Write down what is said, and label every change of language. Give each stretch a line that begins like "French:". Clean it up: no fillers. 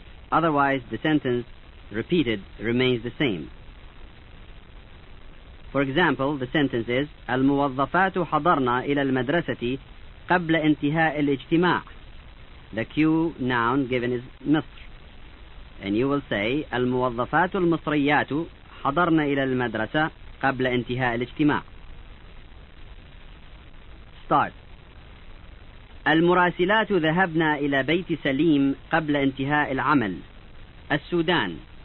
English: Otherwise, the sentence repeated remains the same. For example, the sentence is
Arabic: الموظفات حضرنا إلى المدرسة قبل انتهاء الاجتماع.
English: The Q noun given is مصر. And you will say
Arabic: الموظفات المصريات حضرنا إلى المدرسة قبل انتهاء الاجتماع.
English: Start.
Arabic: المراسلات ذهبنا إلى بيت سليم قبل انتهاء العمل. السودان.